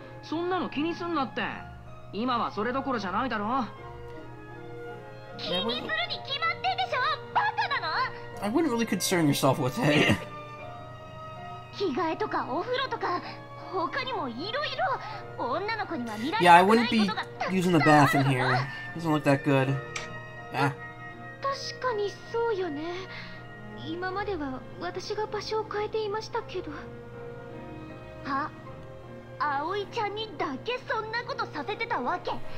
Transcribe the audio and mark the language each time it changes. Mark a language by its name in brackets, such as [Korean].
[Japanese] そんなの気にすんなって。今はそれどころじゃないだろ。気にするに決まってんでしょ、バカなの？ [English] I wouldn't really concern yourself with it. [Japanese] 着替えとかお風呂とか他にもいろいろ、女の子には見られたくないことがたくさんあるの。 [English] Yeah, I wouldn't be using the bath in here. It doesn't look that good. [Japanese] 確かにそうよね。今までは私が場所を変えていましたけど。葵ちゃんにだけそんなことさせてたわけ。